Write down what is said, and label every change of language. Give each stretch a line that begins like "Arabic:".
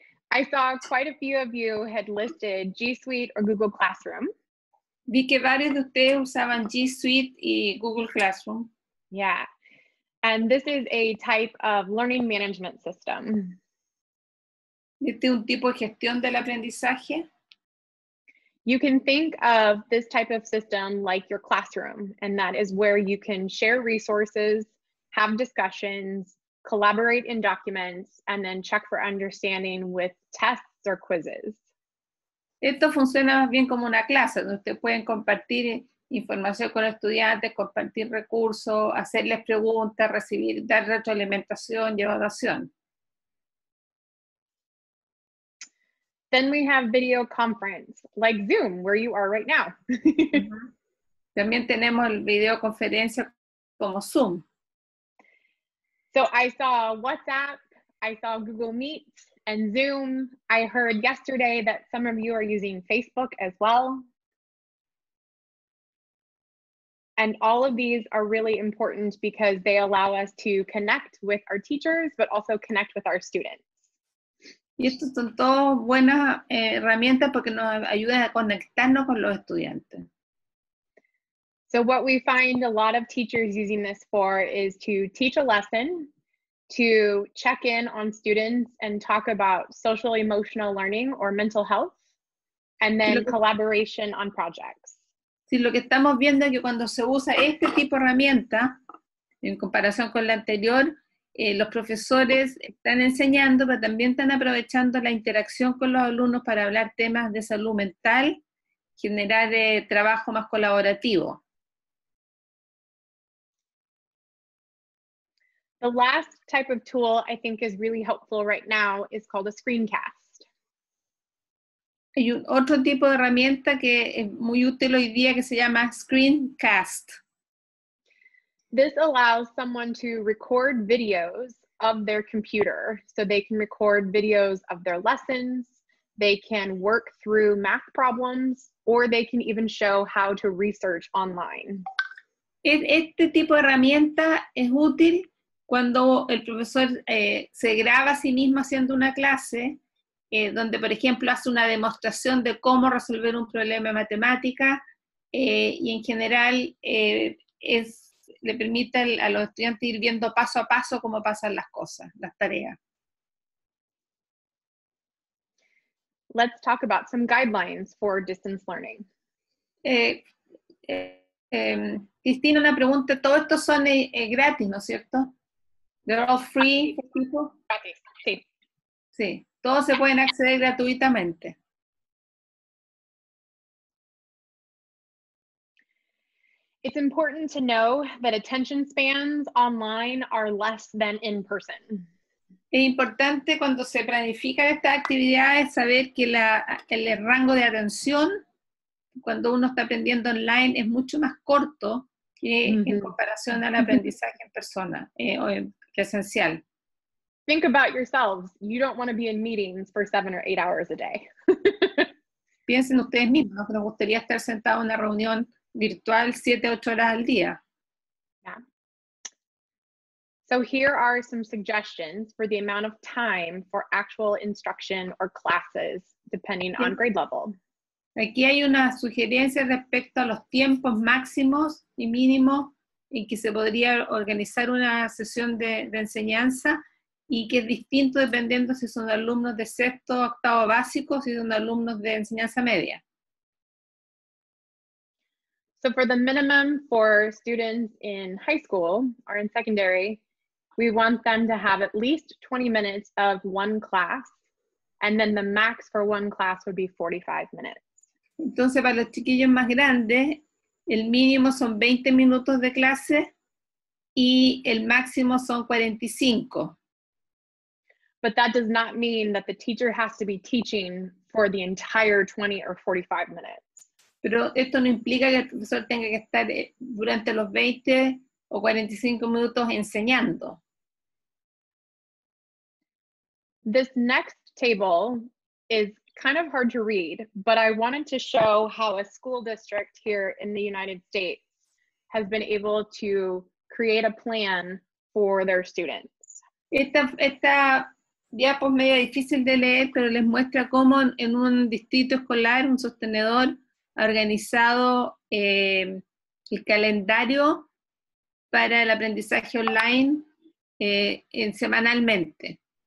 English: I saw quite a few of you had listed G Suite or Google Classroom.
Spanish: Vi que varios de ustedes usaban G Suite y Google Classroom.
English: Yeah. And this is a type of learning management system.
Spanish: Este es un tipo de gestión del aprendizaje.
English: You can think of this type of system like your classroom, and that is where you can share resources, have discussions, collaborate in documents, and then check for understanding with tests or quizzes.
Spanish: Esto funciona bien como una clase, donde ustedes pueden compartir información con los estudiantes, compartir recursos, hacerles preguntas, recibir, dar retroalimentación y evaluación.
English: Then we have video conference, like Zoom, where you are right now.
Spanish: También tenemos el videoconferencia como Zoom.
English: So I saw WhatsApp, I saw Google Meet and Zoom. I heard yesterday that some of you are using Facebook as well. And all of these are really important because they allow us to connect with our teachers, but also connect with our students.
Spanish: Y estas son todas buenas herramientas porque nos ayudan a conectarnos con los estudiantes.
English: So what we find a lot of teachers using this for is to teach a lesson, to check in on students and talk about social emotional learning or mental health, and then collaboration on projects.
Spanish: Sí, lo que estamos viendo es que cuando se usa este tipo de herramienta, en comparación con la anterior, los profesores están enseñando, pero también están aprovechando la interacción con los alumnos para hablar temas de salud mental, generar trabajo más colaborativo.
English: The last type of tool I think is really helpful right now is called a screencast.
Spanish: Hay otro tipo de herramienta que es muy útil hoy día que se llama screencast.
English: This allows someone to record videos of their computer, so they can record videos of their lessons, they can work through math problems, or they can even show how to research online.
Spanish: Este tipo de herramienta es útil cuando el profesor se graba a sí mismo haciendo una clase, donde por ejemplo hace una demostración de cómo resolver un problema de matemática, y en general es le permite a los estudiantes ir viendo paso a paso cómo pasan las cosas, las tareas.
English: Let's talk about some guidelines for distance learning.
Spanish: Cristina, una pregunta. Todos estos son gratis, ¿no es cierto?
English: They're all free.
Spanish: Gratis, sí. Sí, todos se pueden acceder gratuitamente.
English: It's important to know that attention spans online are less than in person.
Spanish: Es importante cuando se planifica esta actividad es saber que el rango de atención cuando uno está aprendiendo online es mucho más corto que en comparación al aprendizaje en persona, o presencial.
English: Think about yourselves. You don't want to be in meetings for 7 or 8 hours a day.
Spanish: Piensen ustedes mismos, ¿no? Nos gustaría estar sentado en una reunión virtual 7-8 horas al día.
English: Yeah. So here are some suggestions for the amount of time for actual instruction or classes, depending on grade level.
Spanish: Aquí hay una sugerencia respecto a los tiempos máximos y mínimos en que se podría organizar una sesión de enseñanza y que es distinto dependiendo si son alumnos de sexto o octavo básico o si son alumnos de enseñanza media.
English: So for the minimum for students in high school or in secondary, we want them to have at least 20 minutes of one class, and then the max for one class would be 45 minutes.
Spanish: Entonces, para los chiquillos más grandes, el mínimo son 20 minutos de clase y el máximo son 45.
English: But that does not mean that the teacher has to be teaching for the entire 20 or 45 minutes.
Spanish: Pero esto no implica que el profesor tenga que estar durante los 20 o 45 minutos enseñando.
English: This next table is kind of hard to read, but I wanted to show how a school district here in the United States has been able to create a plan for their students.
Spanish: Esta diapos es medio difícil de leer, pero les muestra cómo en un distrito escolar, un sostenedor, organizado el calendario para el aprendizaje online semanalmente.